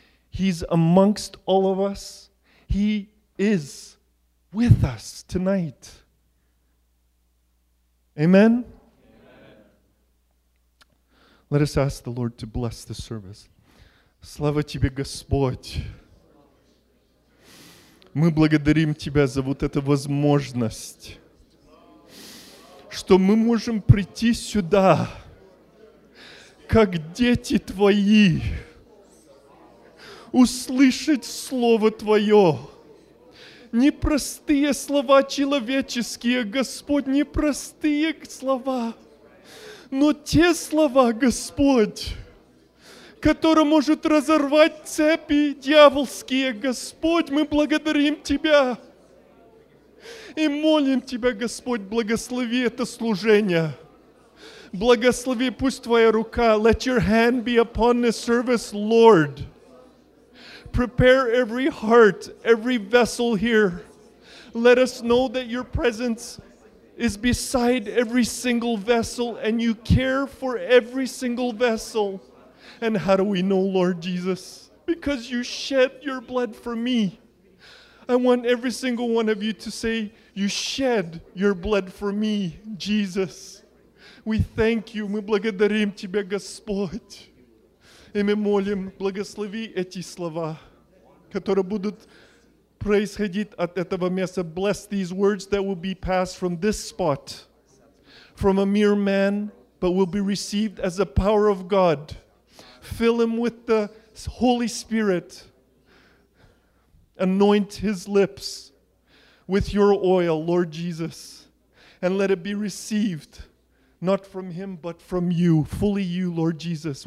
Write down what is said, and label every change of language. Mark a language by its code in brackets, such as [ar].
[en] He's amongst all of us. He is with us tonight. Amen? Amen. Let us ask the Lord to bless the service. [ru] Слава тебе, Господь! Мы благодарим тебя за вот эту возможность. что мы можем прийти сюда, как дети Твои, услышать Слово Твое. Не простые слова человеческие, Господь, не простые слова, но те слова, Господь, которые может разорвать цепи дьявольские. Господь, мы благодарим Тебя и молим Тебя, Господь, благослови это служение. Благослови, пусть Твоя рука, [en] let your hand be upon this service, Lord. Prepare every heart, every vessel here. Let us know that your presence is beside every single vessel and you care for every single vessel. And how do we know, Lord Jesus? Because you shed your blood for me. I want every single one of you to say, you shed your blood for me, Jesus. We thank you. [ru] Мы благодарим тебя, Господь. И мы молим, благослови эти слова, которые будут происходить от этого места. [en] Bless these words that will be passed from this spot, from a mere man, but will be received as the power of God. Fill him with the Holy Spirit. Anoint his lips with your oil, Lord Jesus, and let it be received, not from him, but from you, fully you, Lord Jesus.